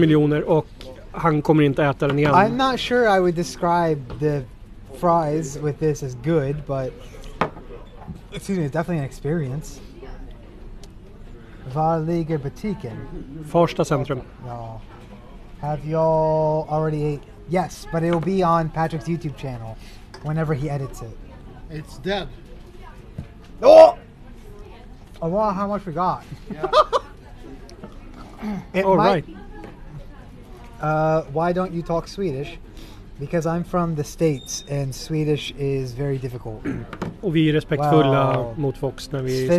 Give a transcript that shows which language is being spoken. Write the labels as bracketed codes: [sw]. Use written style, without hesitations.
[sv] miljoner och han kommer inte äta den igen. [en] I'm not sure I would describe the fries with this as good, but excuse me, it's definitely an experience. [sv] Var ligger butiken? Farsta centrum. [en] No. Have y'all already ate? Yes, but it'll be on Patrick's YouTube channel whenever he edits it. It's dead. Oh! Oh, wow, how much we got. Yeah. All right. Why don't you talk Swedish? Because I'm from the States and Swedish is very difficult. [sv] Och vi är respektfulla mot folks när vi sitter här.